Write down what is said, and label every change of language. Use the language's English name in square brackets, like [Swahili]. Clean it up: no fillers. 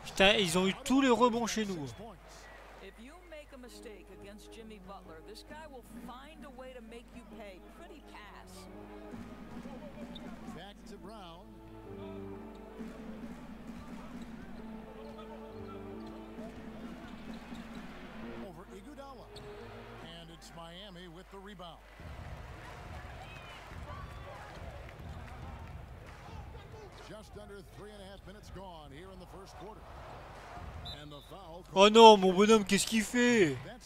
[French] Putain, ils ont eu tous les rebonds chez nous. [English] If you make a mistake against Jimmy Butler, this guy will find a way to make you pay. Pretty pass. Back to Brown. Over Iguodala. And it's Miami with the rebound. Just under 3.5 minutes gone here in the first quarter. [French] Oh non, mon bonhomme, qu'est-ce qu'il fait?